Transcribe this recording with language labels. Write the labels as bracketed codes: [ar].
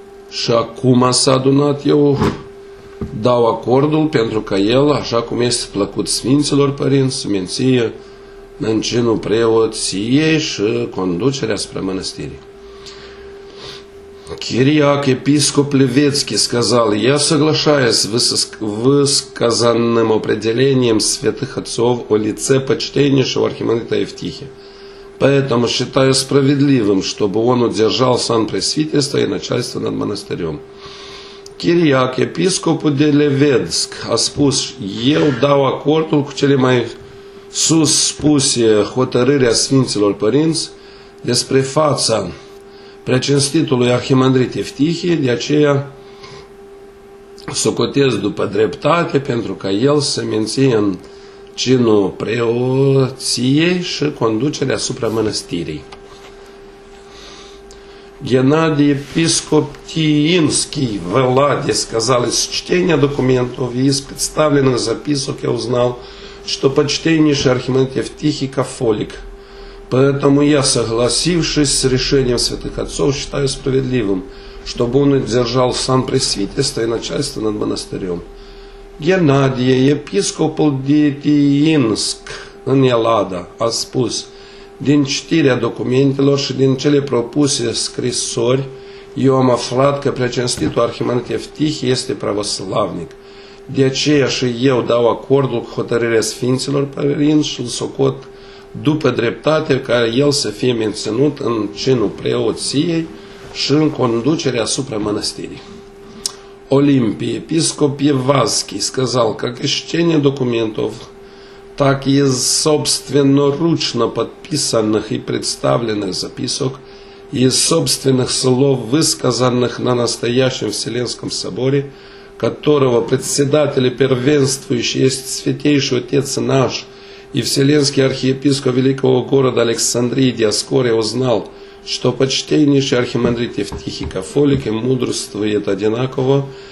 [ro] și acum s-a adunat, eu dau acordul pentru ca el, așa cum este plăcut Sfinților Părinți, Sfinție, în cinul preoției și conducerea spre mănăstirii. [ru] Kiriac, episcop Levetski, сказал, я соглашаюсь высказанным определением святых отцов о лице почтеннейшего архимандрита Евтихия. Поэтому считаю справедливым, чтобы он удержал сан пресвитерства и начальство над монастырем. [ro] Kiriac, episcop de Levetsk, a spus, eu dau acordul cu cele mai sus spuse hotărârea Sfinților Părinți despre fața preacinstitului arhimandrit Evtihie, de aceea socotez după dreptate pentru ca el să menție în cinul preoției și conducerea asupra mănăstirii. [ru] Геннадий, епископ Тиинский, в Элладе, сказал, из чтения документов и из представленных записок я узнал, что почтеннейший архимандрит Евтихий кафолик. Поэтому я, согласившись с решением святых отцов, считаю справедливым, чтобы он удержал сан пресвитерства и начальство над монастырем. [ro] Геннадий, епископ Тиинск, ин Елада, а спус, din citirea documentelor și din cele propuse scrisori, eu am aflat că preacinstitul arhimandrit Evtihie este pravoslavnic. De aceea și eu dau acordul cu hotărârea Sfinților Părinți și îl socot după dreptate ca el să fie menținut în cinul preoției și în conducerea asupra mănăstirii. [ru] Olimpie, episcop Evaschi, сказал, как исчение документов, так и из собственноручно подписанных и представленных записок, и из собственных слов, высказанных на настоящем Вселенском Соборе, которого председатель и первенствующий есть Святейший Отец наш и Вселенский Архиепископ Великого Города Александрии Диаскория, узнал, что почтеннейший архимандрит Евтихий Кафолик и мудрствует одинаково